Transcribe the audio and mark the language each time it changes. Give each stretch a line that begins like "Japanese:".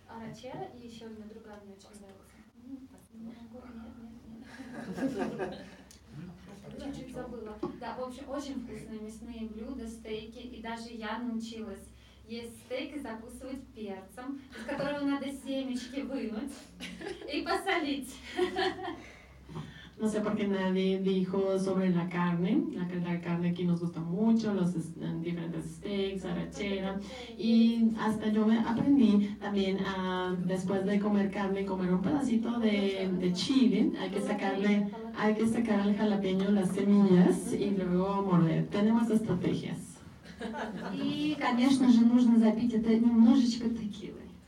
Russian: Арачера и еще одна другая мне очень нравится. Чуть-чуть забыла. Да, очень вкусные мясные блюда, стейки, и даже я научилась. Есть стейк и закусывать перцем, из которого надо семечки вынуть и посолить.
Spanish: No sé por qué nadie dijo sobre la carne, la carne aquí nos gusta mucho, los diferentes steaks, arrachera, y hasta yo aprendí también a, después de comer carne, comer un pedacito de chile, hay que sacarle al jalapeño las semillas y luego morder. Tenemos estrategias. Y,
Russian: конечно же, нужно запить это немножечко текилы.